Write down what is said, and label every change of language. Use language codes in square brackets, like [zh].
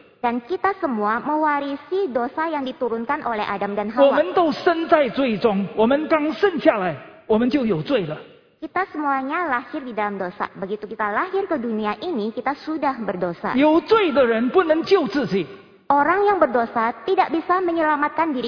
[id] Dan kita semua mewarisi dosa yang diturunkan oleh Adam dan Hawa. [zh] 我们都生在罪中, 我们刚生下来, 我们就有罪了。 [id] Kita semuanya lahir di dalam dosa. Begitu kita lahir ke dunia ini, kita sudah berdosa. [zh] 有罪的人不能救自己。 [id] Orang yang berdosa tidak bisa menyelamatkan dirinya.